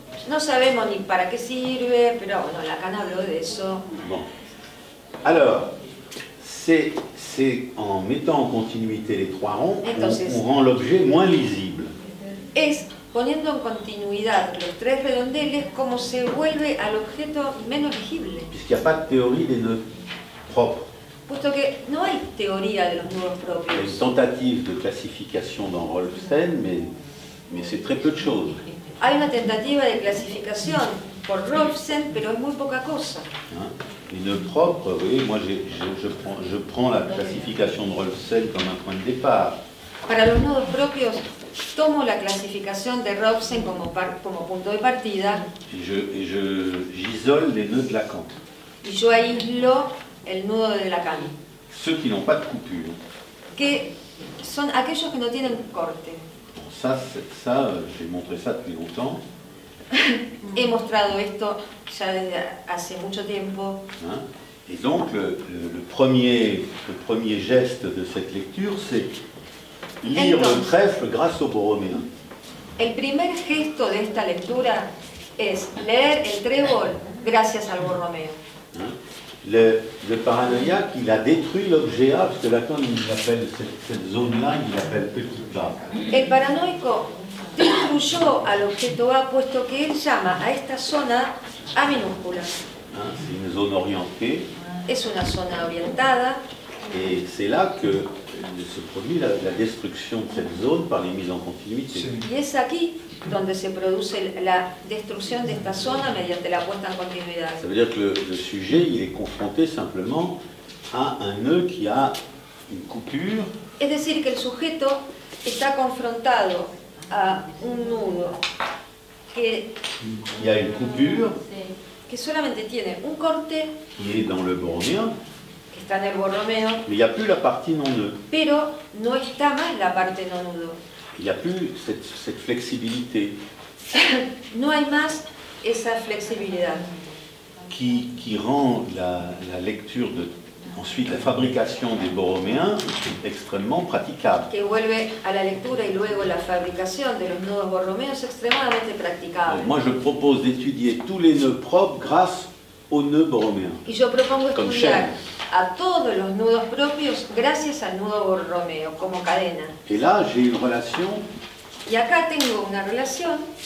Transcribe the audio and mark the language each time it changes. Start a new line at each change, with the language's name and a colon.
Spanish: No sabemos ni para qué sirve, pero bueno, Lacan habló de eso.
French: Bon. Alors. C'est en mettant en continuité les trois ronds qu'on rend l'objet moins lisible.
Spanish: Es poniendo en continuidad los tres redondeles como se vuelve al objeto menos legible.
French: Puisqu'il n'y a pas de théorie des nœuds propres.
Spanish: Puesto que no hay teoría de los nudos propios. Hay tentativa de clasificación en
French: Rolfsten, mais c'est très peu de choses.
Spanish: Hay una tentativa de clasificación por Rolfsten, pero es muy poca cosa.
French: Les nœuds propres, vous voyez, moi je prends la classification de Rolfsten comme un point de départ.
Spanish: Para los nudos propios, tomo la clasificación de Rolfsten como punto de partida.
French: Y j'isole les nœuds de Lacan.
Spanish: Y yo aíslo el nudo de Lacan.
French: Ceux qui n'ont pas de coupure.
Spanish: Que son aquellos que no tienen corte.
French: Bon, ça, j'ai montré ça depuis longtemps.
Spanish: He mostrado esto ya desde hace mucho tiempo.
French: Et donc le premier geste de cette lecture, c'est lire entonces, le trèfle grâce au Borroméen.
Spanish: El primer gesto de esta lectura es leer el trébol gracias al Borroméen.
French: Le paranoïaque, il a détruit l'objet A, parce que Lacan appelle cette zone-là, il l'appelle petit A.
Spanish: El paranoico destruyó al objeto A, puesto que él llama a esta zona A minúscula.
French: C'est une zone orientée.
Spanish: Es una zona orientada.
French: Et c'est là que se produit la destruction de cette zone par les mises en continuité.
Spanish: Y es aquí donde se produce la destrucción de esta zona mediante la puesta en continuidad.
French: Ça veut dire que le sujet, il est confronté simplement à un nœud qui a une coupure.
Spanish: Es decir, que el sujeto está confrontado a un nudo que
French: il y a une coupure
Spanish: que solamente tiene un corte
French: qui est dans le Borroméen,
Spanish: que está en el Borroméen,
French: mais il n'y a plus la partie non nœud.
Spanish: Pero no está más la parte no nudo.
French: Il n'y a plus cette flexibilité.
Spanish: No hay más esa flexibilidad.
French: Qui rend la lecture de ensuite la fabrication des Borroméens extrêmement praticable.
Spanish: Que vuelve a la lectura y luego la fabricación de los nudos borromeos extremadamente practicable.
French: Moi je propose d'étudier tous les nœuds propres grâce aux nœuds borroméens.
Spanish: Y yo propongo estudiar a todos los nudos propios gracias al nudo borromeo como cadena.
French: Et là j'ai une relation.
Spanish: Y acá tengo una relación.